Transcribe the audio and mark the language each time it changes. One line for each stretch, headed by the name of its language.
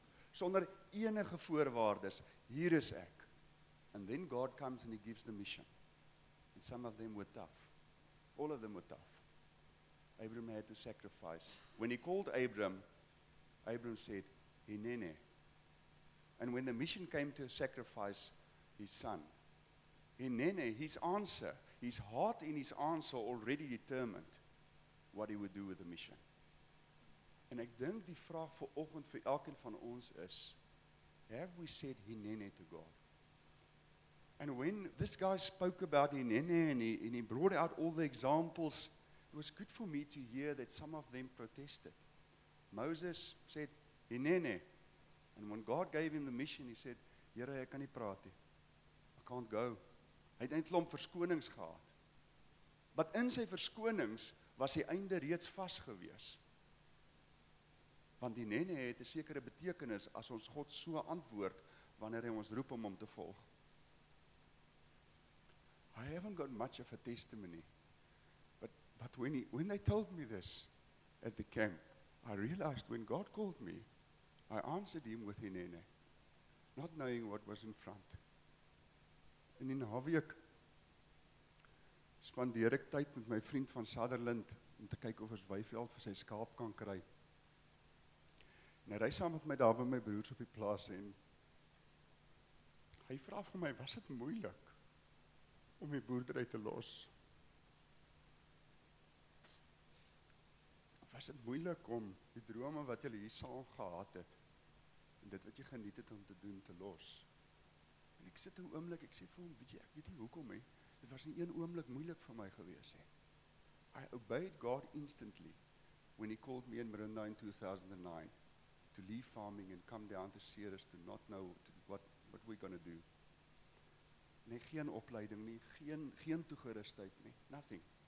Afrikaans: Sonder enige voorwaardes. Hier is ek.
English: And then God comes and he gives the mission. And some of them were tough. All of them were tough. Abram had to sacrifice. When he called Abram, Abram said, "Hinene." And when the mission came to sacrifice his son, hinene, his answer, his heart in his answer already determined what he would do with the mission.
Afrikaans: En ek dink die vraag vir oggend vir elkeen van ons is,
English: have we said hinene to God? And when this guy spoke about hinene and he brought out all the examples, it was good for me to hear that some of them protested. Moses said, "Hinene." And when God gave him the mission, he said, "Here,
Afrikaans: ek kan nie praat nie.
English: I can't go."
Afrikaans: Hy het 'n klomp verskonings gehad. Wat in sy verskonings was die einde reeds vas gewees. Want die nene het 'n sekere betekenis as ons God so antwoord wanneer hy ons roep om hom te volg.
English: haven't got much of a testimony. But when they told me this at the camp, I realized when God called me, I answered him with Inene, not knowing what was in front.
Afrikaans: En in Haviek spandeer ek tyd met my vriend van Sutherland om te kyk of ons weiveld vir sy skaap kan kry. En hy ry saam met my daar by my broers op die plaas en hy vra vir my, was dit moeilik om die boerdery te los? Was dit moeilik om die drome wat julle hier saam gehad het en dit wat jy geniet het om te doen te los? En ek sit 'n oomblik, ek sê vir hom, weet jy, ek weet nie hoekom nie. Dit was nie een oomblik moeilik vir my gewees nie.
English: I obeyed God instantly when he called me in Marinda in 2009 to leave farming and come down to Ceres to not know what we're going to do.
Afrikaans: Nee, geen opleiding nie, geen toegerustheid nie, nothing.